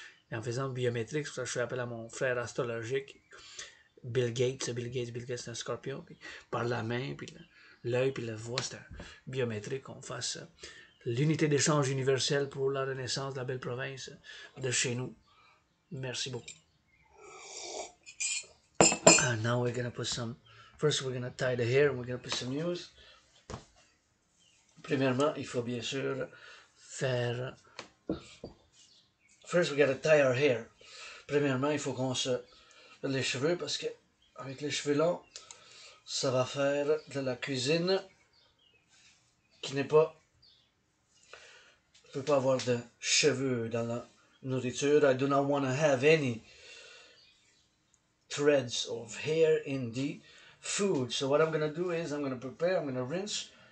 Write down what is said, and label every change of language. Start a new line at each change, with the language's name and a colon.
French: et en faisant biométrique, c'est pour ça que je fais appel à mon frère astrologique, Bill Gates, c'est un scorpion, puis par la main, puis l'œil, puis la voix, c'est un biométrique, qu'on fasse l'unité d'échange universel pour la renaissance de la belle province de chez nous. Merci beaucoup.
English: And now we're gonna put some, first we're gonna tie the hair and we're gonna put some news.
French: Premièrement, il faut bien sûr faire,
English: first we gotta tie our hair.
French: Premièrement, il faut qu'on se fasse les cheveux parce que avec les cheveux longs, ça va faire de la cuisine qui n'est pas, je peux pas avoir de cheveux dans la nourriture.
English: I do not want to have any threads of hair in the food. So what I'm gonna do is I'm gonna prepare, I'm gonna rinse.